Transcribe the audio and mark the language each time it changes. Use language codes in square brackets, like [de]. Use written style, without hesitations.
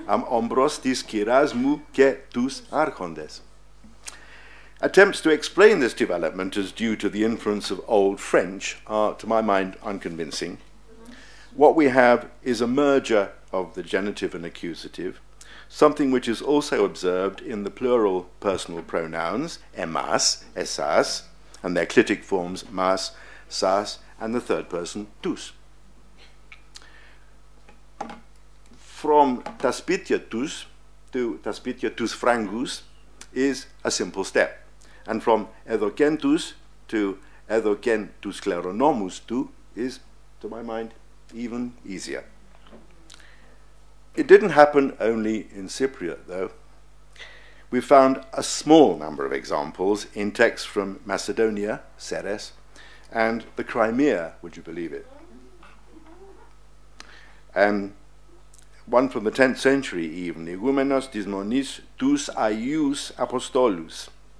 [el] ομπρός της κυράς μου και τους άρχοντες. [en] Attempts to explain this development as due to the influence of old French are, to my mind, unconvincing. What we have is a merger of the genitive and accusative, something which is also observed in the plural personal pronouns, εμάς, εσάς, and their clitic forms, μας, σας, and the third person, τους. From [el] τα σπίτια τους [en] to [el] τα σπίτια τους φράγκους [en] is a simple step. And from [el] εδωκέν τους [en] to [el] εδωκέν τους κληρονόμους του [en] is, to my mind, even easier. It didn't happen only in Cypriot, though. We found a small number of examples in texts from Macedonia, Ceres, and the Crimea, would you believe it? One from the 10th century, even, [el] Igumenos Dismonis Tus Aius Apostolus.